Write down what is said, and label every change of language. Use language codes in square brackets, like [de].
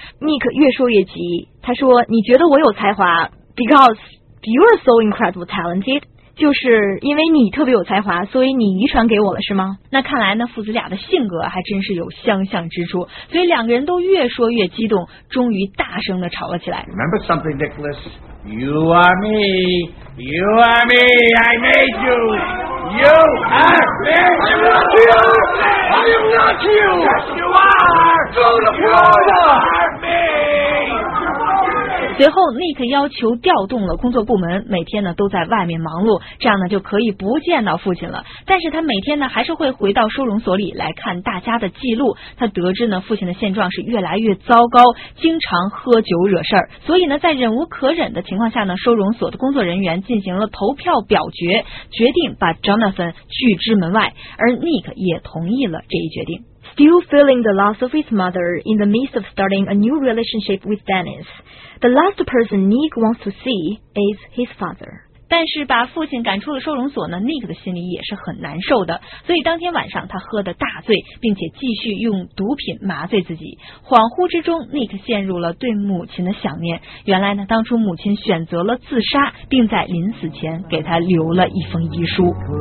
[zh] Nick 越说越急他说你觉得我有才华 [en] Because you're so incredibly talented [zh] 就是因为你特别有才华所以你遗传给我了是吗那看来呢父子俩的性格还真是有相像之处所以两个人都越说越激动终于大声地吵了起来 [en] Remember something Nicholas You are me You are me I made you You are me I am not you I am not you Yes you are Go to You are me [zh] 随后 Nick 要求调动了工作部门每天呢都在外面忙碌这样呢就可以不见到父亲了但是他每天呢还是会回到收容所里来看大家的记录他得知呢父亲的现状是越来越糟糕经常喝酒惹事儿所以呢在忍无可忍的情况下呢收容所的工作人员进行了投票表决决定把 Jonathan 拒之门外而 Nick 也同意了这一决定 [en] Still feeling the loss of his mother in the midst of starting a new relationship with DennisThe last person Nick wants to see is his father. [zh] 但是把父亲赶出了收容所呢 ,Nick 的心里也是很难受的。所以当天晚上他喝得大醉并且继续用毒品麻醉自己。恍惚之中 ,Nick 陷入了对母亲的想念。原来呢当初母亲选择了自杀并在临死前给他留了一封遗书。